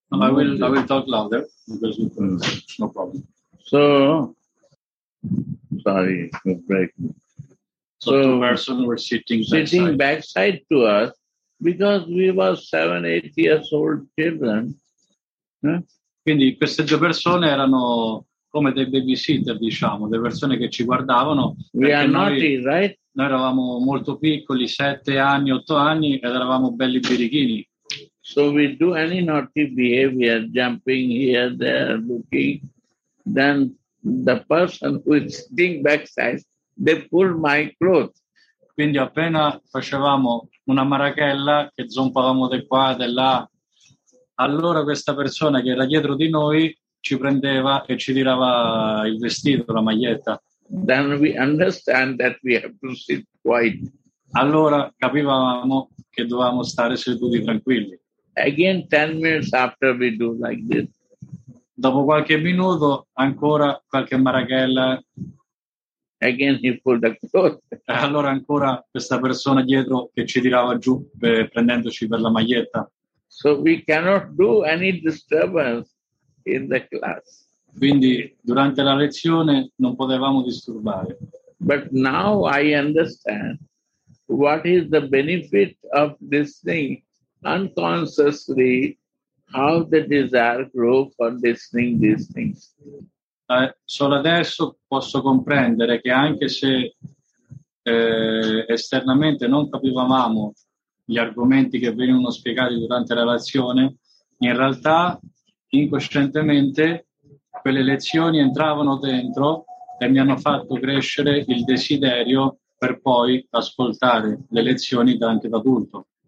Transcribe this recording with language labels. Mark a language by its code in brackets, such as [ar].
[en] I will talk louder because you can, no problem. So sorry, we'll break. So two person were sitting backside to us because we were 7-8 years old children. Eh? [it] Quindi queste due persone erano come dei babysitter, diciamo, delle persone che ci guardavano. [en] We are naughty, right? [it] Noi eravamo molto piccoli, 7 anni, 8 anni, ed eravamo belli birichini. [en] So we do any naughty behavior, jumping here, there, looking, then the person who is sitting backside, they pull my clothes. [it] Quindi appena facevamo una marachella, che zompavamo di qua, di là, allora questa persona che era dietro di noi ci prendeva e ci tirava il vestito, la maglietta. [en] Then we understand that we have to sit quiet. [it] Allora capivamo che dovevamo stare seduti tranquilli. [en] Again, 10 minutes after we do like this. [it] Dopo qualche minuto, ancora qualche marachella. [en] Again, he pulled the clothes. [it] Allora ancora questa persona dietro che ci tirava giù, prendendoci per la maglietta. [en] So we cannot do any disturbance in the class. [it] Quindi durante la lezione non potevamo disturbare. [en] But now I understand what is the benefit of this thing unconsciously, how the desire grow for listening these things. [it] Solo adesso posso comprendere che anche se esternamente non capivamo gli argomenti che venivano spiegati durante la lezione, in realtà incoscientemente quelle lezioni entravano dentro e mi hanno fatto crescere il desiderio per poi ascoltare le lezioni anche da adulto.